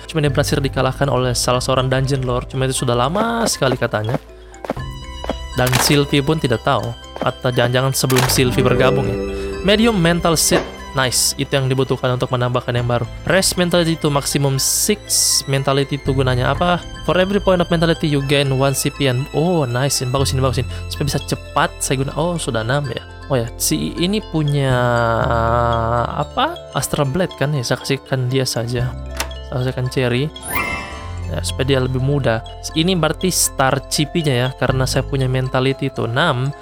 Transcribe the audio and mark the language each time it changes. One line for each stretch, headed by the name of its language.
Indonesian: Cuma dia berhasil dikalahkan oleh salah seorang dungeon lord. Cuma itu sudah lama sekali katanya. Dan Sylvie pun tidak tahu. Atau jangan-jangan sebelum Sylvie bergabung ya.
English: Medium mental seed.
Indonesian: Nice, itu yang dibutuhkan untuk menambahkan yang baru.
English: Rest mentality to maximum 6.
Indonesian: Mentality itu gunanya apa?
English: For every point of mentality you gain 1 CP and...
Indonesian: Oh nice, bagus ini. Supaya bisa cepat saya guna. Oh sudah 6 ya. Oh ya, si ini punya apa? Astral Blade kan ya, saya kasihkan dia saja. Saya kasihkan Cherry ya, supaya dia lebih mudah. Ini berarti star CP-nya ya, karena saya punya mentality itu 6.